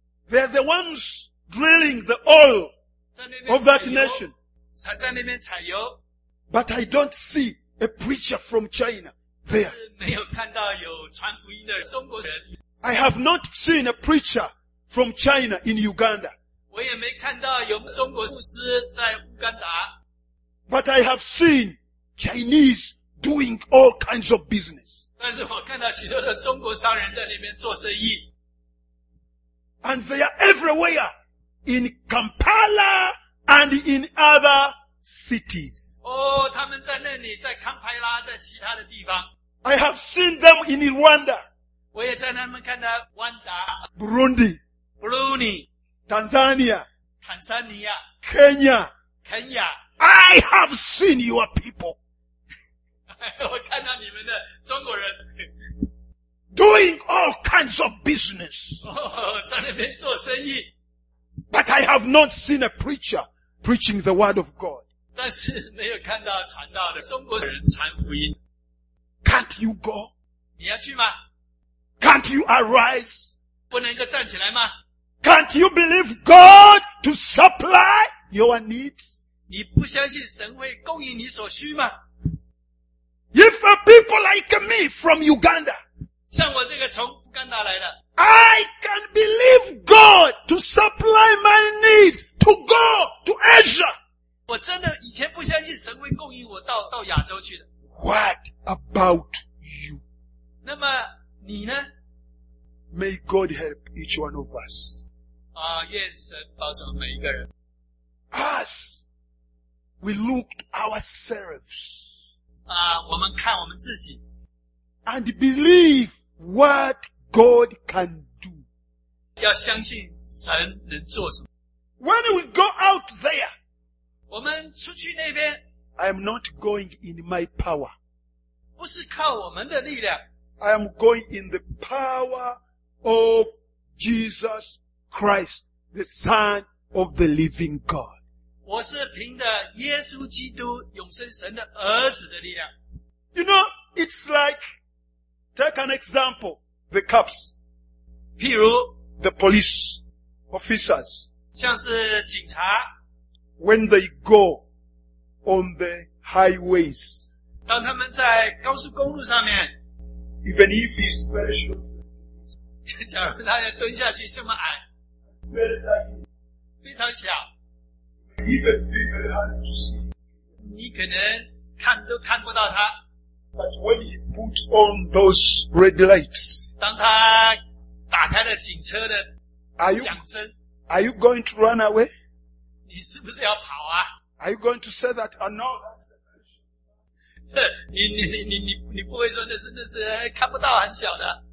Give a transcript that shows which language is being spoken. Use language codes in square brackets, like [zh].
[en] They're the ones drilling the oil of that nation. [zh] 才在那边采油。 [en] But I don't see a preacher from China there. [zh] 没有看到有传福音的中国人。 [en] I have not seen a preacher from China in Uganda. [zh] 我也没看到有中国牧师在乌干达。 [en] But I have seen Chinese doing all kinds of business. [zh] 但是我看到许多的中国商人在那边做生意。 [en] And they are everywhere in Kampala and in other cities. [zh] 他们在那里，在堪培拉，在其他的地方。 [en] I have seen them in Rwanda. [zh] 我也在那边看到万达。 [en] Burundi. Burundi. Tanzania. Tanzania. Kenya. Kenya. I have seen your people. [zh] 我看到你们的中国人。 [en] Doing all kinds of business. [zh] 在那边做生意。 [en] But I have not seen a preacher preaching the word of God. [zh] 但是没有看到传道的中国人传福音。 [en] Can't you go? [zh] 你要去吗? [en] Can't you arise? [zh] 不能够站起来吗? [en] Can't you believe God to supply your needs? [zh] 你不相信神会供应你所需吗? [en] If a people like me from Uganda, [zh] 像我这个从乌干达来的, [en] I can believe God to supply my needs to go to Asia. [zh] 我真的以前不相信神会供应我到亚洲去的。 [en] What about you? [zh] 那么你呢? [en] May God help each one of us. [zh] 愿神保守每一个人。 [en] As we look to ourselves. [zh] 我们看我们自己。 [en] And believe what God can do. [zh] 要相信神能做什么。 [en] When we go out there, [zh] 我们出去那边, [en] I am not going in my power. [zh] 不是靠我们的力量。 [en] I am going in the power of Jesus Christ, the Son of the Living God. [zh] 我是凭着耶稣基督永生神的儿子的力量。 [en] You know, it's like, take an example, the cops. [zh] 譬如, [en] the police officers. [zh] 像是警察。 [en] When they go on the highways, [zh] 当他们在高速公路上面, [en] even if he's very short, [zh] 假如他要蹲下去这么矮, 非常小, [en] even if he's hard to see, [zh] 你可能看都看不到他, [en] but when he puts on those red lights, [zh] 当他打开了警车的响声, [en] are you going to run away? [zh] 你是不是要跑啊? [en] Are you going to say that or not? [zh] 你不会说那是看不到很小的。